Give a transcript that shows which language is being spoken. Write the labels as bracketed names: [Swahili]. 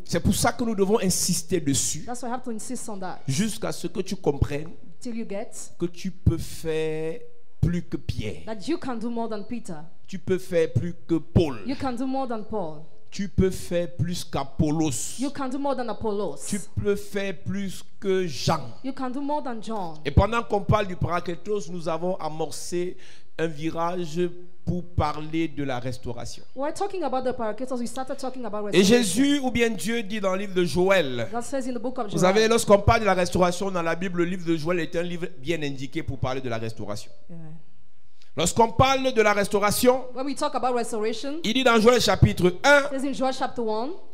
[French] C'est pour ça que nous devons insister dessus. [English] That's why I have to insist on that. [French] Jusqu'à ce que tu comprennes, [English] till you get, [French] que tu peux faire plus que Pierre. [English] That you can do more than Peter. [French] Tu peux faire plus que Paul. [English] You can do more than Paul. [French] Tu peux faire plus qu'Apollos. [English] You can do more than Apollos. [French] Tu peux faire plus que Jean. [English] You can do more than John. [French] Et pendant qu'on parle du Paracletos, nous avons amorcé un virage pour parler de la restauration. [English] We're talking about the Paracletos. We started talking about restoration. [French] Et Jésus ou bien Dieu dit dans le livre de Joël. [English] That says in the book of Joel. [French] Vous savez, lorsqu'on parle de la restauration dans la Bible, le livre de Joël est un livre bien indiqué pour parler de la restauration. Amen. Lorsqu'on parle de la restauration, [English] when we talk about restoration, [French] il dit dans Joël chapitre 1, [English] it is in Joel chapter 1,